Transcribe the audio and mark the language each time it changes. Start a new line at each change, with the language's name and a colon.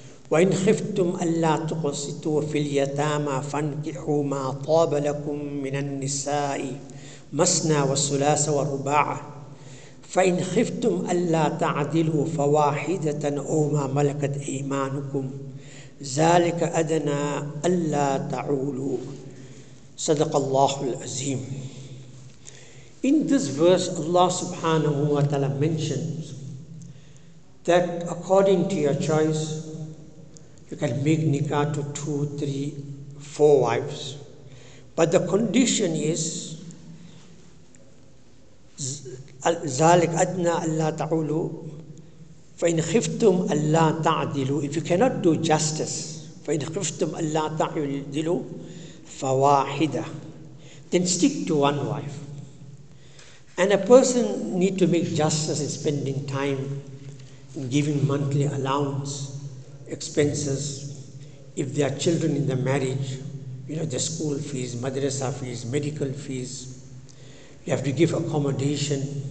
Arabic: وَإِنْ خِفْتُمْ أَلَّا تُقْسِطُوا فِي الْيَتَامَى فَانْكِحُوا مَا طَابَ لَكُمْ مِنَ النِّسَاءِ مَثْنَى وَثُلَاثَ وَرُبَاعَ فَإِنْ خِفْتُمْ أَلَّا تَعْدِلُوا فَوَاحِدَةً أَوْ مَا مَلَكَتْ أَيْمَانُكُمْ ذَلِكَ أَدْنَى أَلَّا تَعُولُوا صدق الله العظيم.
English: In this verse, Allah subhanahu wa ta'ala mentions that according to your choice, you can make nikah to 2, 3, 4 wives. But the condition is,
Arabic: ذَلِكْ أَدْنَى أَلَّا تَعُولُوا فَإِنْ خِفْتُمْ أَلَّا تَعْدِلُوا.
English: If you cannot do justice,
Arabic: فَإِنْ خِفْتُمْ أَلَّا تَعْدِلُوا فَوَاحِدَةً,
English: then stick to one wife. And a person need to make justice in spending time, in giving monthly allowance, expenses, if there are children in the marriage, you know, the school fees, madrasa fees, medical fees, you have to give accommodation.